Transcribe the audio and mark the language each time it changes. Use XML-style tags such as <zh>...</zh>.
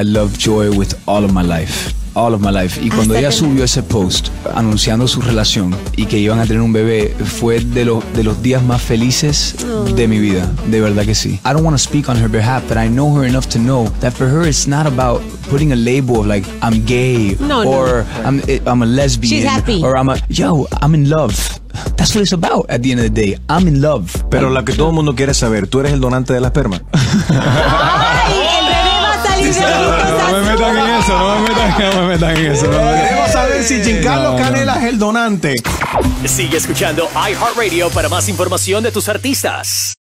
<en>I love Joy with all of my life. All of my life.</en> <es>Y cuando ella subió ese post anunciando su relación y que iban a tener un bebé, fue de los días más felices de mi vida. De verdad que sí.</es> <en>I don't want to speak on her behalf, but I know her enough to know that for her it's not about putting a label of like I'm gay I'm a lesbian. She's happy. Or I'm in love. That's what it's about at the end of the day. I'm in love.</en> <es>Pero la que todo el mundo quiere saber, ¿tú eres el donante de la esperma? ¡Ay! El bebé va a salir de mi casa. No me metan en eso. Queremos saber si Giancarlo Canela es el donante. Sigue escuchando iHeartRadio para más información de tus artistas.</es>